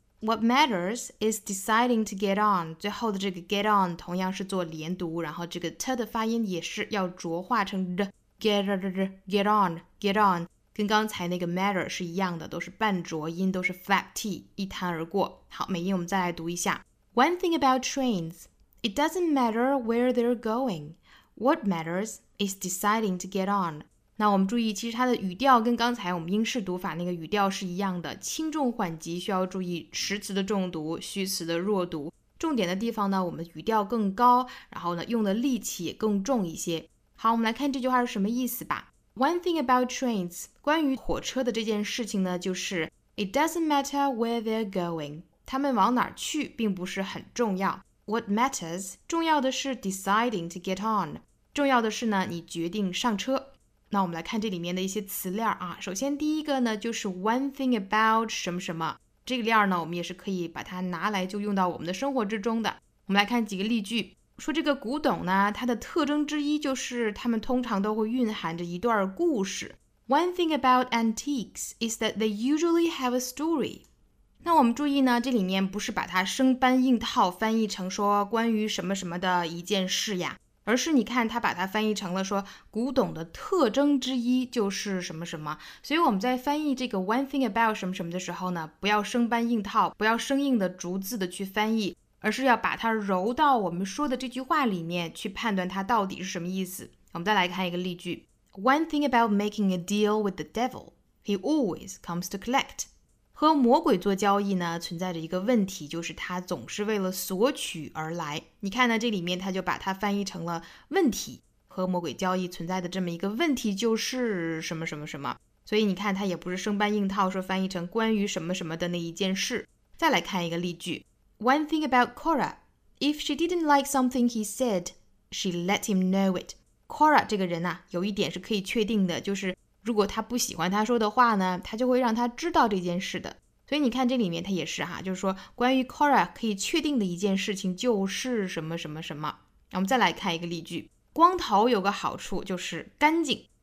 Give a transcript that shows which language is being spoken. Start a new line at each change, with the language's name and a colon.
English: What matters is deciding to get on.
Chinese: 最后的这个 get on 同样是做连读，然后这个 t 的发音也是要浊化成 d.
English: Get on.
Chinese: 跟刚才那个 matter 是一样的，都是半浊音，都是 flat t 一弹而过。好，美音我们再来读一下。
English: One thing about trains, it doesn't matter where they're going. What matters is deciding to get on.
Chinese: 那我们注意，其实它的语调跟刚才我们英式读法那个语调是一样的，轻重缓急需要注意实词的重读，虚词的弱读。重点的地方呢，我们语调更高，然后呢用的力气也更重一些。好，我们来看这句话是什么意思吧。
English: One thing about trains,
Chinese: 关于火车的这件事情呢，就是
English: It doesn't matter where they're going,
Chinese: 他们往哪儿去并不是很重要。
English: What matters,
Chinese: 重要的是
English: deciding to get on,
Chinese: 重要的是呢你决定上车。那我们来看这里面的一些词链啊。首先第一个呢就是 one thing about 什么什么，这个链呢我们也是可以把它拿来就用到我们的生活之中的。我们来看几个例句，说这个古董呢，它的特征之一就是它们通常都会蕴含着一段故事。
English: One thing about antiques is that they usually have a story.
Chinese: 那我们注意呢，这里面不是把它生搬硬套翻译成说关于什么什么的一件事呀，而是你看他把它翻译成了说古董的特征之一就是什么什么。所以我们在翻译这个 one thing about 什么什么的时候呢，不要生搬硬套，不要生硬的逐字的去翻译，而是要把它揉到我们说的这句话里面去判断它到底是什么意思。我们再来看一个例句。
English: One thing about making a deal with the devil, he always comes to collect.
Chinese: 和魔鬼做交易呢，存在着一个问题，就是他总是为了索取而来。你看呢，这里面他就把它翻译成了问题，和魔鬼交易存在的这么一个问题就是什么什么什么。所以你看他也不是生搬硬套说翻译成关于什么什么的那一件事。再来看一个例句。
English: One thing about Cora, if she didn't like something he said, she let him know it.
Chinese: Cora 这个人啊，有一点是可以确定的，就是如果他不喜欢他说的话呢，他就会让他知道这件事的。所以你看这里面他也是哈，就是说关于 Cora 可以确定的一件事情就是什么什么什么。我们再来看一个例句。光头有个好处就是干净。